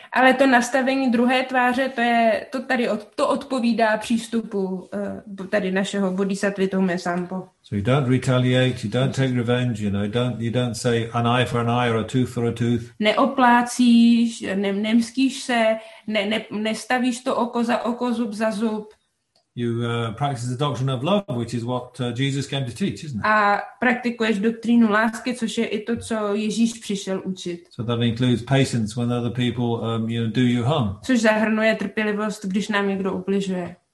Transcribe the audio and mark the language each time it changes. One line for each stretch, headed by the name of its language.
Czech: Ale to nastavení druhé tváře, to odpovídá přístupu tady našeho bodhisattvy Tommy Sampo.
English: So you don't retaliate, you don't take revenge, you know, you don't say an eye for an eye or a tooth for a tooth.
Czech: Neoplácíš, nemstíš se, nestavíš to oko za oko, zub za zub.
English: You practice the doctrine of love, which is what Jesus came to teach, isn't it?
Czech: A praktikuješ doktrínu lásky, což je i to, co Ježíš přišel učit.
English: So that includes patience when other people you know, do you harm.
Czech: Což zahrnuje trpělivost, když nám někdo ubližuje.